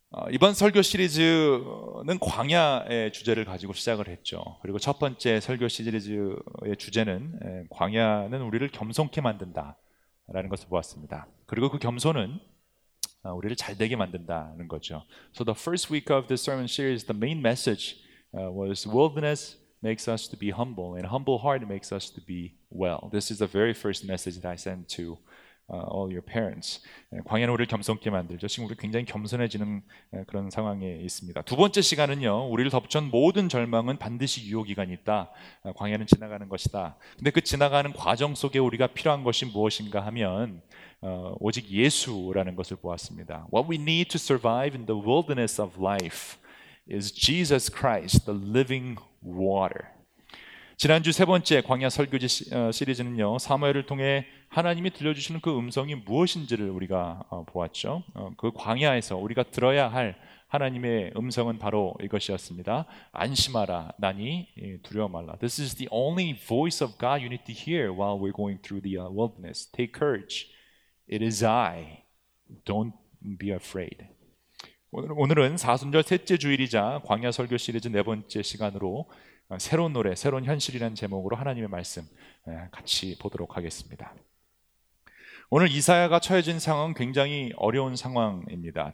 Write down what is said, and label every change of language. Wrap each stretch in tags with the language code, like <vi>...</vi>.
<ko>이번 설교 시리즈는 광야의 주제를 가지고 시작을 했죠. 그리고 첫 번째 설교 시리즈의 주제는 광야는 우리를 겸손케 만든다라는 것을 보았습니다. 그리고 그 겸손은 우리를 잘되게 만든다는 거죠.</ko> <en>So the first week of the sermon series, the main message was wilderness makes us to be humble and humble heart makes us to be well. This is the very first message that I sent to all your parents.</en> <ko>광야는 우리를 겸손케 만들죠. 지금 우리 굉장히 겸손해지는 그런 상황에 있습니다. 두 번째 시간은요, 우리를 덮쳐 모든 절망은 반드시 유효기간이 있다. 광야는 지나가는 것이다. 근데 그 지나가는 과정 속에 우리가 필요한 것이 무엇인가 하면 오직 예수라는 것을 보았습니다.</ko> <en>What we need to survive in the wilderness of life is Jesus Christ, the living water.</en> <ko>지난주 세 번째 광야 설교지 시리즈는요, 사무엘을 통해 하나님이 들려주시는 그 음성이 무엇인지를 우리가 보았죠. 그 광야에서 우리가 들어야 할 하나님의 음성은 바로 이것이었습니다. 안심하라, 나니 두려워 말라.</ko> <en>This is the only voice of God you need to hear while we're going through the wilderness. Take courage. It is I. Don't be afraid.</en> <ko>오늘은 사순절 셋째 주일이자 광야 설교 시리즈 네 번째 시간으로 새로운 노래, 새로운 현실이라는 제목으로 하나님의 말씀 같이 보도록 하겠습니다. 오늘 이사야가 처해진 상황 굉장히 어려운 상황입니다.</ko>